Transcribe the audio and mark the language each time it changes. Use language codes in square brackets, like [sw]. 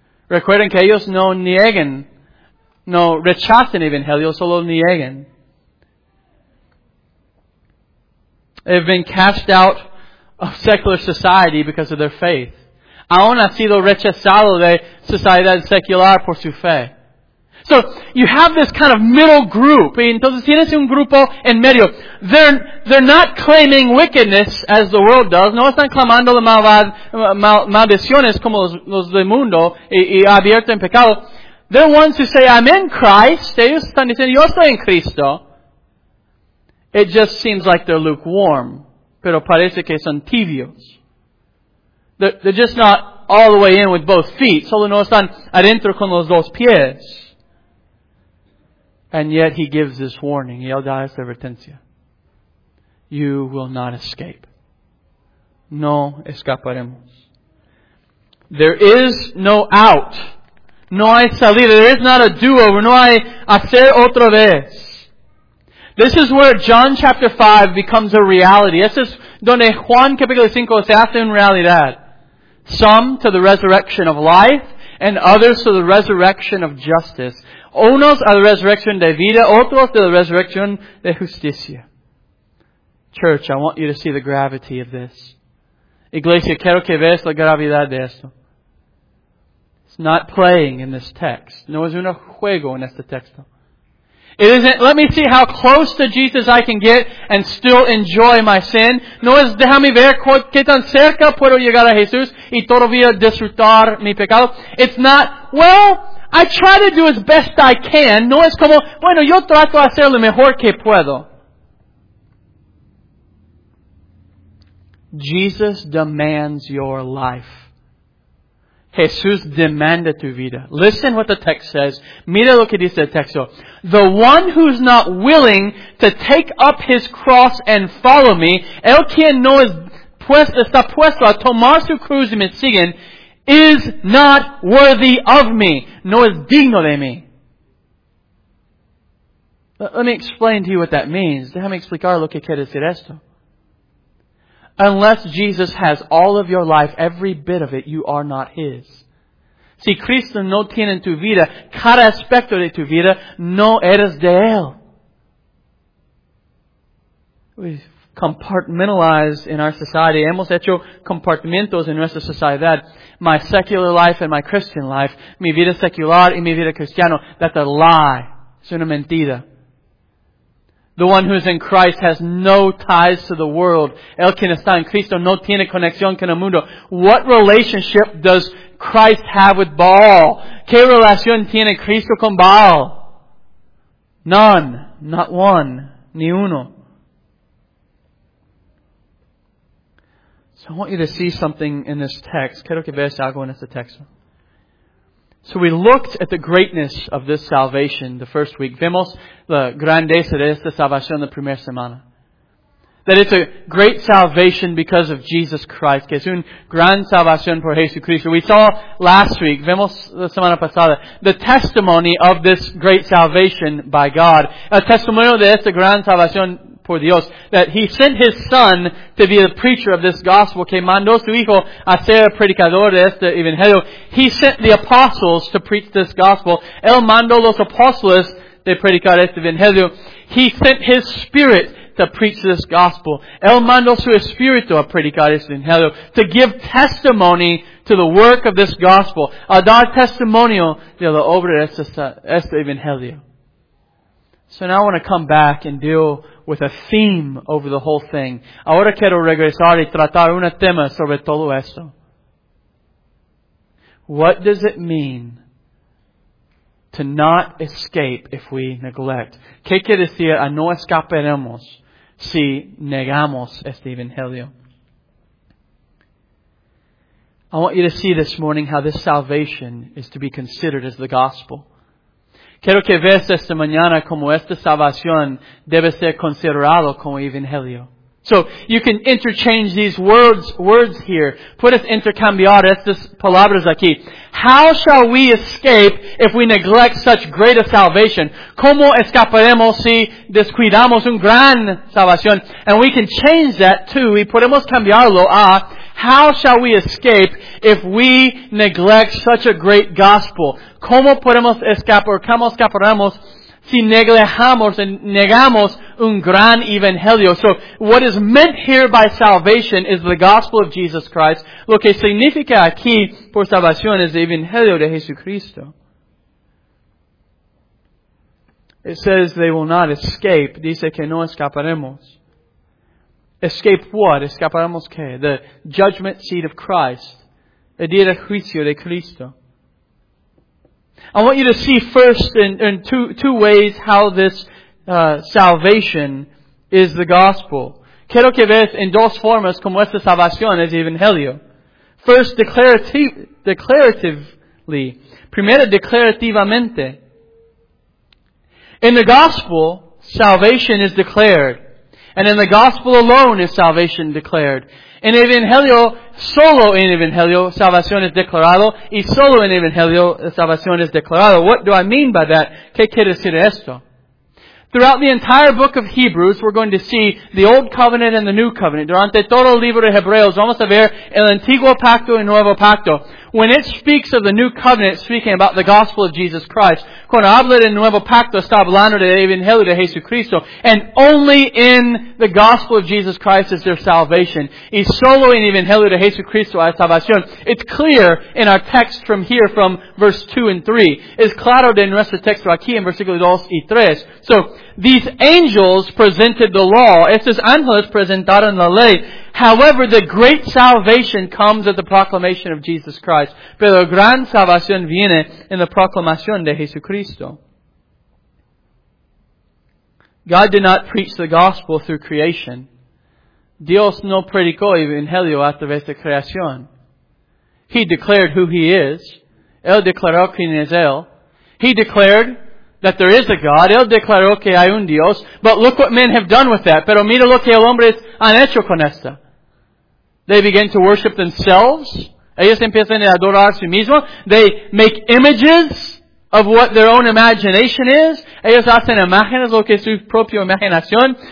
[es] Recuerden que ellos no niegan, no rechazan el Evangelio, solo niegan. [en] They've been cast out of secular society because of their faith. [es] Aún ha sido rechazado de sociedad secular por su fe. [en] So, you have this kind of middle group. [es] Entonces tienes un grupo en medio. [en] They're not claiming wickedness as the world does. [es] No están clamando la maldiciones como los del mundo y abierto en pecado. [en] They're ones who say, "I'm in Christ." [es] Ellos están diciendo, "Yo estoy en Cristo." [en] It just seems like they're lukewarm. [es] Pero parece que son tibios. [en] They're just not all the way in with both feet. [es] Solo no están adentro con los dos pies. [en] And yet he gives this warning. [es] Y él da esta advertencia. [en] You will not escape. [es] No escaparemos. [en] There is no out. [es] No hay salida. [en] There is not a do-over. [es] No hay hacer otra vez. [en] This is where John chapter 5 becomes a reality. [es] Este es donde Juan capítulo 5 se hace en realidad. [en] Some to the resurrection of life, and others to the resurrection of justice. [es] Unos a la resurrección de vida, otros a la resurrección de justicia. [en] Church, I want you to see the gravity of this. [es] Iglesia, quiero que veas la gravedad de esto. [en] It's not playing in this text. [es] No es un juego en este texto. [en] It isn't, let me see how close to Jesus I can get and still enjoy my sin. [es] No es déjame ver qué tan cerca puedo llegar a Jesús y todavía disfrutar mi pecado. [en] It's not, well, I try to do as best I can. [es] No es como, bueno, yo trato de hacer lo mejor que puedo. [en] Jesus demands your life. [es] Jesús demanda tu vida. [en] Listen what the text says. [es] Mira lo que dice el texto. [en] The one who's not willing to take up his cross and follow me, [es] el quien no está puesto a tomar su cruz y me siguen, [en] is not worthy of me, [es] no es digno de mí. [en] Let me explain to you what that means. [es] Déjame explicar lo que quiere decir esto. [en] Unless Jesus has all of your life, every bit of it, you are not His. [es] Si Cristo no tiene en tu vida, cada aspecto de tu vida, no eres de Él. [en] We've compartmentalized in our society. [es] Hemos hecho compartimentos en nuestra sociedad. [en] My secular life and my Christian life. [es] Mi vida secular y mi vida cristiana. [en] That's a lie. [es] Es una mentira. [en] The one who is in Christ has no ties to the world. [es] El quien está en Cristo no tiene conexión con el mundo. [en] What relationship does Christ have with Baal? [es] ¿Qué relación tiene Cristo con Baal? [en] None. Not one. [es] Ni uno. [en] So I want you to see something in this text. [es] Quiero que veas algo en este texto. [en] So we looked at the greatness of this salvation the first week. [es] Vimos la grandeza de esta salvación la primera semana. [en] That it's a great salvation because of Jesus Christ. [es] Que es una gran salvación por Jesucristo. [en] We saw last week, [es] vimos la semana pasada, [en] the testimony of this great salvation by God. [es] El testimonio de esta gran salvación por Dios. [en] That He sent His Son to be the preacher of this gospel. [es] Que mandó su Hijo a ser predicador de este evangelio. [en] He sent the apostles to preach this gospel. [es] Él mandó los apóstoles de predicar este evangelio. [en] He sent His Spirit to preach this gospel. [es] Él mandó su Espíritu a predicar este evangelio. [en] To give testimony to the work of this gospel. [es] A dar testimonio de la obra de este evangelio. [en] So now I want to come back and deal with a theme over the whole thing. [es] Ahora quiero regresar y tratar un tema sobre todo esto. [en] What does it mean to not escape if we neglect? [es] ¿Qué quiere decir a no escaparemos si negamos este evangelio? [en] I want you to see this morning how this salvation is to be considered as the gospel. [es] Quiero que veas esta mañana como esta salvación debe ser considerado como evangelio. [en] So, you can interchange these words here. [es] Puedes intercambiar estas palabras aquí. [en] How shall we escape if we neglect such great a salvation? [es] ¿Cómo escaparemos si descuidamos una gran salvación? [en] And we can change that too. [es] Y podemos cambiarlo a [en] how shall we escape if we neglect such a great gospel? [es] ¿Cómo podemos escapar? ¿Cómo escaparemos si neglejamos y negamos un gran evangelio? [en] So, what is meant here by salvation is the gospel of Jesus Christ. [es] Lo que significa aquí por salvación es el evangelio de Jesucristo. [en] It says they will not escape. Dice que no escaparemos. Escape what? [es] Escaparemos qué? [en] The judgment seat of Christ. [es] El día de juicio de Cristo. [en] I want you to see first in two ways how this salvation is the gospel. [es] Quiero que veas en dos formas como esta salvación es evangelio. [en] First, declaratively. [es] Primero, declarativamente. [en] In the gospel, salvation is declared. And in the gospel alone is salvation declared. [es] En evangelio, solo en evangelio, salvación es declarado. Y solo en evangelio, salvación es declarado. [en] What do I mean by that? [es] ¿Qué quiere decir esto? [en] Throughout the entire book of Hebrews, we're going to see the Old Covenant and the New Covenant. [es] Durante todo el libro de Hebreos, vamos a ver el Antiguo Pacto y Nuevo Pacto. [en] when it speaks of the new covenant, speaking about the gospel of Jesus Christ, [es] cuando habla del nuevo pacto, está hablando del evangelio de Jesucristo, [en] and only in the gospel of Jesus Christ is there salvation. [es] Y solo en el evangelio de Jesucristo hay salvación. [en] It's clear in our text from here, from verse 2 and 3. [es] Es claro de nuestro texto aquí en versículos 2 y 3. [en] So, these angels presented the law. [es] Estos ángeles presentaron la ley. [en] However, the great salvation comes at the proclamation of Jesus Christ. [es] Pero la gran salvación viene en la proclamación de Jesucristo. [en] God did not preach the gospel through creation. [es] Dios no predicó el evangelio a través de creación. [en] He declared who He is. [es] Él declaró quién es Él. [en] He declared that there is a God. [es] Él declaró que hay un Dios. [en] But look what men have done with that. [es] Pero mira lo que los hombres han hecho con esto. [en] They begin to worship themselves. [es] Ellos empiezan a adorar a sí mismos. [en] They make images of what their own imagination is. [es] Ellos hacen imágenes lo que es su propia imaginación.